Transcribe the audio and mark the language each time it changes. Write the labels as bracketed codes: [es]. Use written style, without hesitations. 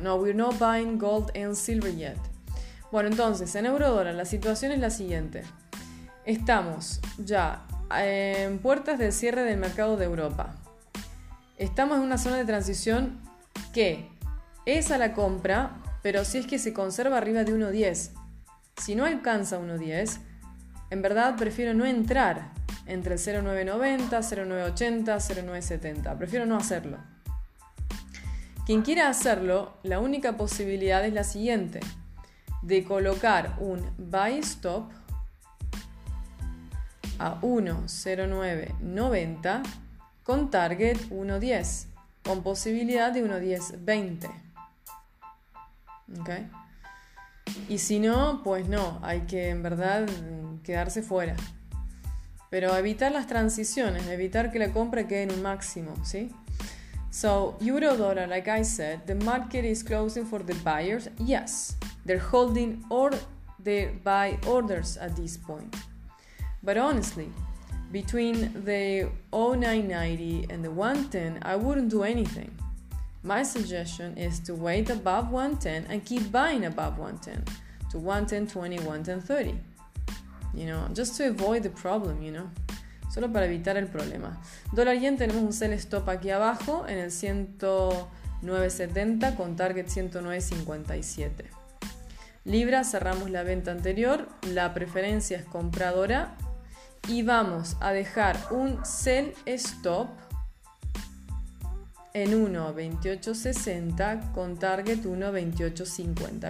[en] No, we're not buying gold and silver yet. [es] Bueno, entonces, en eurodólar la situación es la siguiente. Estamos ya en puertas del cierre del mercado de Europa. Estamos en una zona de transición que es a la compra, pero si es que se conserva arriba de 1.10. Si no alcanza 1.10, en verdad prefiero no entrar entre el 0.990, 0.980, 0.970. Prefiero no hacerlo. Quien quiera hacerlo, la única posibilidad es la siguiente. De colocar un buy stop a 1.0990 con target 1.10, con posibilidad de 1.1020. ¿Okay? Y si no, pues no, hay que en verdad quedarse fuera. Pero evitar las transiciones, evitar que la compra quede en un máximo, ¿sí? [en] So, euro dólar, like I said, the market is closing for the buyers. Yes, they're holding or the buy orders at this point. But honestly, between the 0.990 and the 1.10, I wouldn't do anything. My suggestion is to wait above 1.10 and keep buying above 1.10 to 1.1020, 1.1030. You know, just to avoid the problem, you know. [es] Solo para evitar el problema. Dólar yen, tenemos un sell stop aquí abajo en el 109.70 con target 109.57. Libra, cerramos la venta anterior. La preferencia es compradora. Y vamos a dejar un sell stop en 1.2860 con target 1.2850.